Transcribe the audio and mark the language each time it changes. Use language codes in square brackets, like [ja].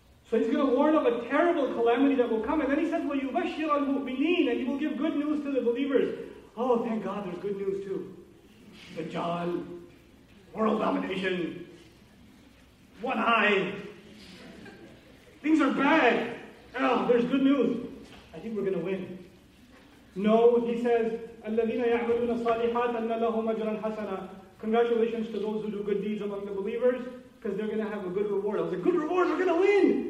[en] So he's going to warn of a terrible calamity that will come. And then he says, well, you bashir al-mu'mineen, and you will give good news to the believers. Oh, thank God, there's good news too. Dajjal, world domination, one eye. Things are bad. Oh, there's good news. I think we're going to win. No, he says, [ar] الَّذِينَ يَعْمَلُونَ الصَّالِحَاتَ أَنَّ لَهُمْ أَجْرًا حَسَنًا. [en] Congratulations to those who do good deeds among the believers, because they're going to have a good reward. I was like, good reward, we're going to win.